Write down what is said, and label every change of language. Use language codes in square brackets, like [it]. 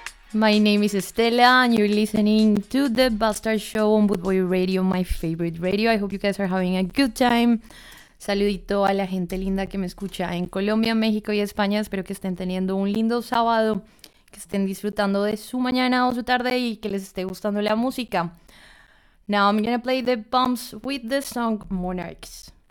[en] My name is Stella and you're listening to the Bastard Show on Boot Boy Radio, my favorite radio. I hope you guys are having a good time. [es] Saludito a la gente linda que me escucha en Colombia, México y España. Espero que estén teniendo un lindo sábado, que estén disfrutando de su mañana o su tarde y que les esté gustando la música. [en] Now I'm gonna play the Bumps with the song Monarchs.